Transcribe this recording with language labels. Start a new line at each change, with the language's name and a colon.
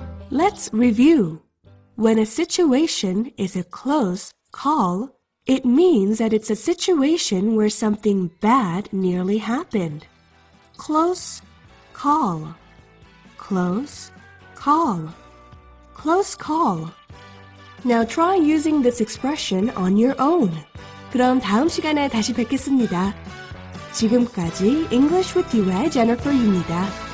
English: Let's review. When a situation is a close call, it means that it's a situation where something bad nearly happened. Close call. Close call. Close call. Now try using this expression on your own.
Korean: 그럼 다음 시간에 다시 뵙겠습니다. 지금까지 English with you의 Jennifer입니다.